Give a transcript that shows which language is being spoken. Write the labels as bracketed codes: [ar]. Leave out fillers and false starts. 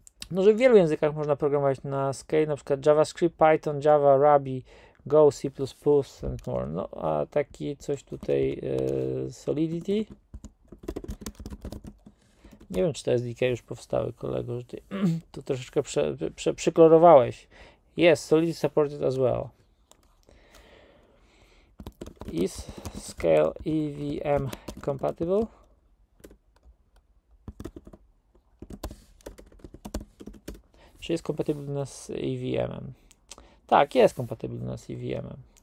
[pl] No, że w wielu językach można programować na scale, na przykład JavaScript, Python, Java, Ruby, Go, C++ [en] and more. [pl] No, a taki coś tutaj, Solidity. Nie wiem, czy te SDK już powstały, kolego, że ty to troszeczkę przyklorowałeś. [en] Yes, Solidity supported as well. Is scale EVM compatible? [pl] Czy jest kompatybilna z EVM-em? Tak, jest kompatybilna z EVM-em.